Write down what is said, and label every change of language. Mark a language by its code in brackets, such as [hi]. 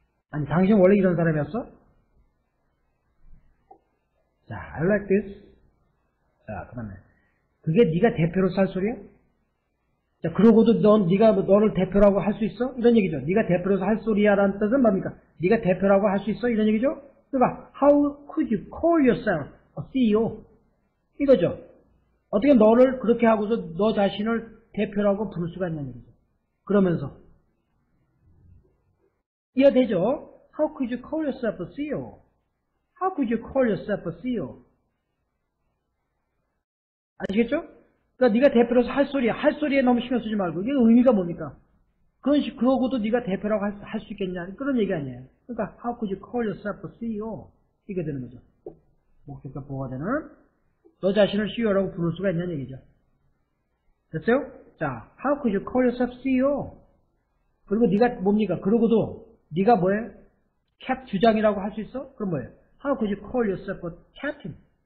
[ko] 아니, 당신 원래 이런 사람이었어? 자, [en] I like this. [ko] 자, 그 다음에. 그게 네가 대표로서 할 소리야? 자, 그러고도 넌 네가 너를 대표라고 할수 있어? 이런 얘기죠. 네가 대표로서 할 소리야라는 뜻은 뭡니까? 네가 대표라고 할수 있어? 이런 얘기죠. [en] 그러니까 how could you call yourself a CEO? [ko] 이거죠. 어떻게 너를 그렇게 하고서 너 자신을 대표라고 부를 수가 있냐는 얘기죠. 그러면서 이해 되죠? [en] How could you call yourself a CEO? How could you call yourself a CEO? [ko] 아시겠죠? 그러니까 네가 대표로서 할 소리야. 할 소리에 너무 신경 쓰지 말고. 이게 의미가 뭡니까? 그런 식, 그러고도 네가 대표라고 할수 있겠냐? 그런 얘기 아니에요. [en] 그러니까 How could you call yourself a CEO? [ko] 이게 되는 거죠. 목적과 뭐가 되는? 너 자신을 CEO라고 부를 수가 있냐는 얘기죠. 됐어요? 자, [en] How could you call yourself CEO? [ko] 그리고 네가 뭡니까? 그러고도 네가 뭐예요? 캡 주장이라고 할수 있어? 그럼 뭐예요? [en] How could you call yourself a captain?